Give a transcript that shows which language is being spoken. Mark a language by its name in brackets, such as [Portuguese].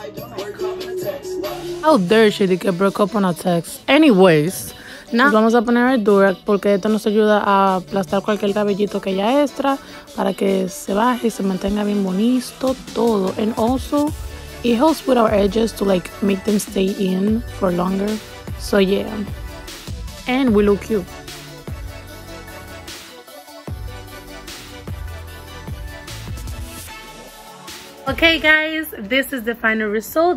[English] How dare she get broke up on a text. Anyways, now [Spanish] nos vamos a poner el Durag, porque esto nos ayuda a aplastar cualquier cabellito que ya extra, para que se baje y se mantenga bien bonito todo. [English] And also, it helps with our edges to like make them stay in for longer. So yeah, and we look cute. Okay guys, this is the final result.